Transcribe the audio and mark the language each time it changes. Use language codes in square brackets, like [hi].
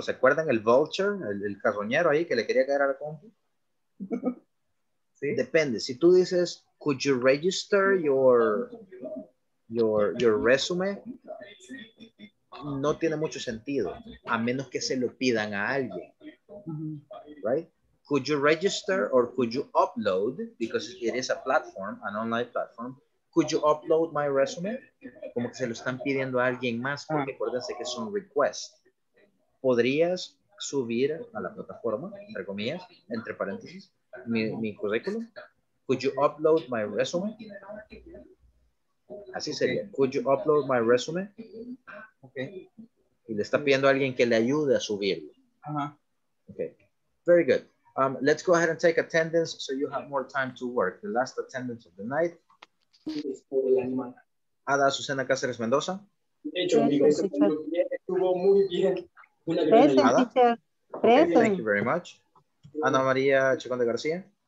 [es] ¿Se acuerdan el vulture, el carroñero ahí que le quería caer a la compu? ¿Sí? Depende. Si tú dices, [en] could you register your resume? [es] No tiene mucho sentido, a menos que se lo pidan a alguien. [en] Right? Could you register or could you upload, because it is a platform, an online platform, could you upload my resume? [es] Como que se lo están pidiendo a alguien más, porque acuérdense que es un request. ¿Podrías subir a la plataforma, entre comillas, entre paréntesis, mi currículum? [en] Could you upload my resume? [es] Así sería. [en] Could you upload my resume? Okay. [es] Y le está pidiendo a alguien que le ayude a subirlo. Uh-huh. [en] Okay. Very good. Let's go ahead and take attendance so you have more time to work. The last attendance of the night. Ada Azucena Cáceres Mendoza. Present, Ada. Present. Okay, thank you very much. Ana María Chacón de García.